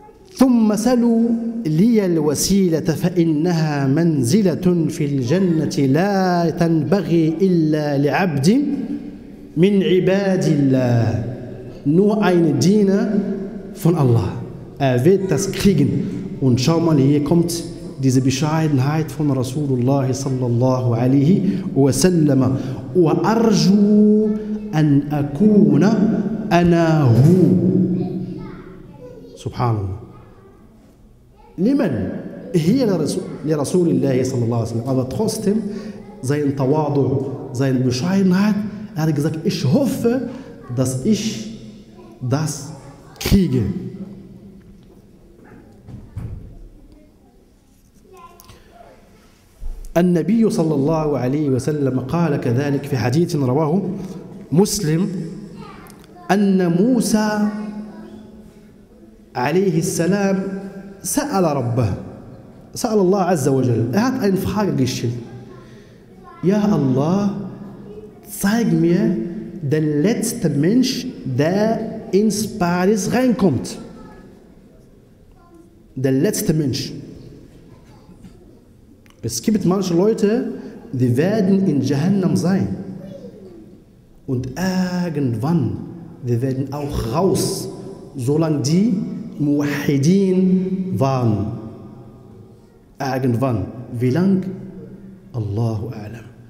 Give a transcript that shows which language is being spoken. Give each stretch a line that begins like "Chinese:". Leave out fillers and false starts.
Arabic: ثم سلوا لي الوسيلة فإنها منزلة في الجنة لا تنبغي إلا لعبد من عباد الله.
German: Nur eine Diener von Allah. Er wird das kriegen. Und schau mal, hier kommt diese Bescheidenheit von Rasulullah sallallahu alaihi wa sallam.
Arabic: وَأَرْجُوا أَنْ أَكُونَ أَنَا هُو. Subhanallah. لمن؟ هي لرسول الله صلى الله عليه وسلم.
German: Aber trotzdem, sein تواضع, sein Bescheidenheit, er hat gesagt, ich hoffe, dass ich das kriege.
Arabic: النبي صلى الله عليه وسلم قال كذلك في حديث رواه مسلم أن موسى عليه السلام سأل ربه سأل الله عز وجل هات أين فحاجة قشل يا الله
German: zeig mir den letzten Mensch der ins Paradies reinkommt der letzte Mensch. Es gibt manche Leute, die werden in Jahannam sein. Und irgendwann, die werden auch raus, solange die Muwahhidin waren. Irgendwann. Wie lang? Allahu A'lam.